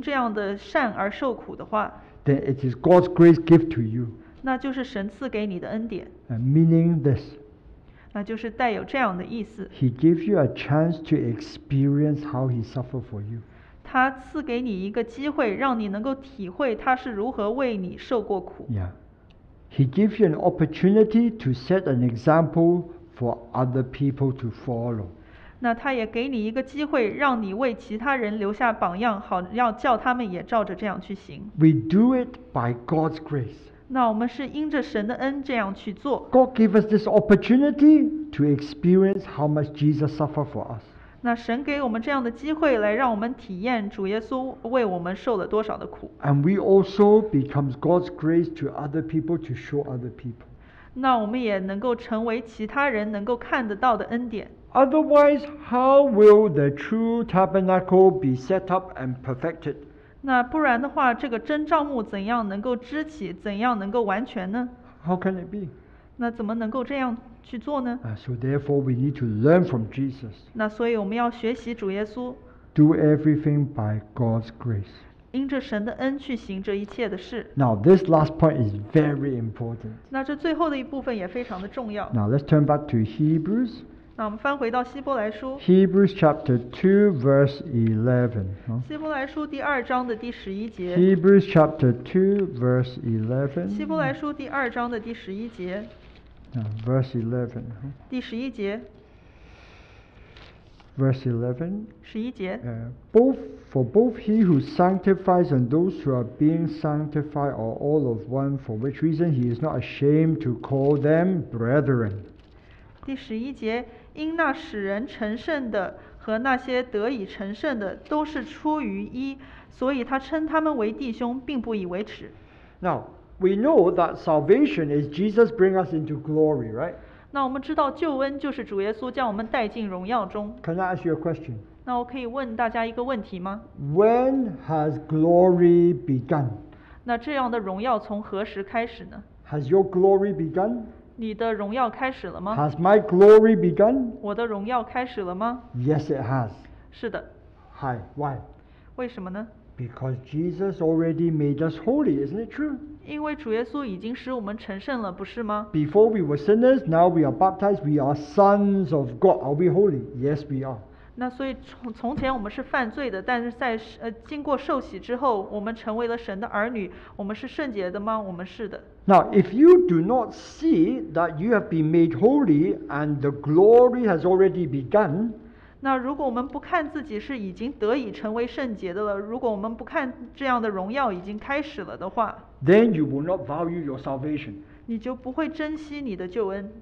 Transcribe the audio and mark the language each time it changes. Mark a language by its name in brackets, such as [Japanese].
[Chinese] 那若是主耶稣让你来在教会中做一样圣工,因行这样的善而受苦的话, [English] then it is God's grace gift to you, [Chinese] 那就是神赐给你的恩典。 [English] Meaning this, [Chinese] 那就是带有这样的意思, [English] He gives you a chance to experience how He suffered for you, [Chinese] 他赐给你一个机会, 让你能够体会他是如何为你受过苦。 [English] Yeah. He gives you an opportunity to set an example for other people to follow, [Chinese] 那他也给你一个机会, 让你为其他人留下榜样, 好, 要叫他们也照着这样去行。 [English] We do it by God's grace. [Chinese] 那我们是因着神的恩这样去做。 [English] God gave us this opportunity to experience how much Jesus suffered for us. [Chinese] 那神给我们这样的机会, 来让我们体验主耶稣为我们受了多少的苦。 [English] And we also become God's grace to other people to show other people. [Chinese] 那我们也能够成为其他人能够看得到的恩典。 [English] Otherwise, how will the true tabernacle be set up and perfected? [Chinese] 那不然的话, 这个真帐幕怎样能够支起, 怎样能够完全呢? [English] How can it be? [Chinese] 那怎么能够这样去做呢? [English] So therefore, we need to learn from Jesus. [Chinese] 那所以我们要学习主耶稣, [English] do everything by God's grace. [Chinese] 因着神的恩去行这一切的事。 [English] Now, this last point is very important. [Chinese] 那这最后的一部分也非常的重要。 [English] Now, let's turn back to Hebrews. [Chinese] 那我们翻回到希伯来书, [English] Hebrews chapter 2 verse 11. [Chinese] 希伯来书第二章的第十一节。 [English] Hebrews chapter 2 verse 11. [Chinese] 希伯来书第二章的第十一节。 [English] Verse 11. [Chinese] 第十一节。 [English] Verse 11. [Chinese] 十一节。 [English] For both he who sanctifies and those who are being sanctified are all of one, for which reason he is not ashamed to call them brethren. [Chinese] 第十一节, 因那使人成圣的和那些得以成圣的都是出于一, 所以他称他们为弟兄并不以为耻。 [English] Now, we know that salvation is Jesus bring us into glory, right? [Chinese] 那我们知道救恩就是主耶稣将我们带进荣耀中。 [English] Can I ask you a question? [Chinese] 那我可以问大家一个问题吗？ [English] When has glory begun? [Chinese] 那这样的荣耀从何时开始呢？ [English] Has your glory begun? [Chinese] 你的荣耀开始了吗？ [English] Has my glory begun? [Chinese] 我的荣耀开始了吗？ [English] Yes, it has. [Chinese] 是的。 [English] Hi, why? [Chinese] 为什么呢？ [English] Because Jesus already made us holy, isn't it true? [Chinese] 因为主耶稣已经使我们成圣了，不是吗？ [English] Before we were sinners, now we are baptized, we are sons of God. Are we holy? Yes, we are. [Chinese] 那所以从前我们是犯罪的，但是在经过受洗之后，我们成为了神的儿女，我们是圣洁的吗？我们是的。 [English] Now, if you do not see that you have been made holy and the glory has already begun, [Chinese] 那如果我们不看自己是已经得以成为圣洁的了，如果我们不看这样的荣耀已经开始了的话， [English] then you will not value your salvation. [Chinese] 你就不会珍惜你的救恩。